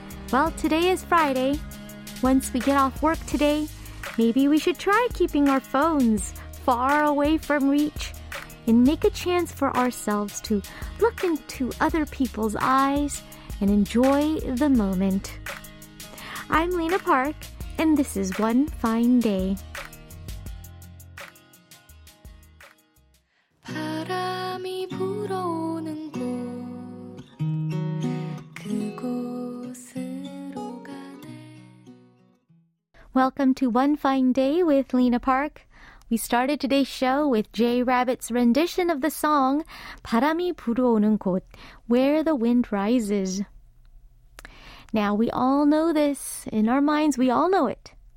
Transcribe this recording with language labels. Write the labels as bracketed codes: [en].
[en] Well, today is Friday. Once we get off work today, maybe we should try keeping our phones far away from reach and make a chance for ourselves to look into other people's eyes and enjoy the moment. I'm Lena Park, and this is One Fine Day. [ko] 바람이 불어오는 곳, 그곳으로 가네. [en] Welcome to One Fine Day with Lena Park. We started today's show with Jay Rabbit's rendition of the song 바람이 불어오는 곳, Where the Wind Rises. Now, we all know this. In our minds, we all know it.